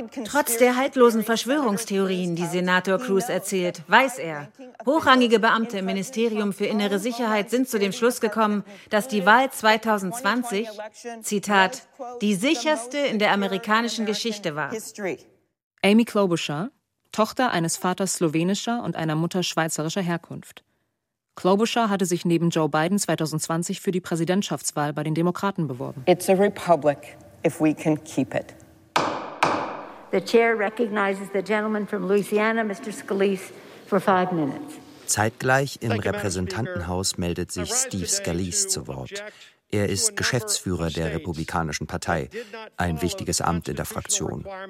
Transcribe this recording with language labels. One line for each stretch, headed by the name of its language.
German: Trotz der haltlosen Verschwörungstheorien, die Senator Cruz erzählt, weiß er, hochrangige Beamte im Ministerium für Innere Sicherheit sind zu dem Schluss gekommen, dass die Wahl 2020, Zitat, die sicherste in der amerikanischen Geschichte war. Amy Klobuchar, Tochter eines Vaters slowenischer und einer Mutter schweizerischer Herkunft. Klobuchar hatte sich neben Joe Biden 2020 für die Präsidentschaftswahl bei den Demokraten beworben.
English: It's a republic if we can keep it. The chair recognizes the gentleman from Louisiana, Mr. Scalise, for 5 minutes.
German: Zeitgleich im Repräsentantenhaus meldet sich Steve Scalise zu Wort. Er ist Geschäftsführer der Republikanischen Partei, ein wichtiges Amt in der Fraktion.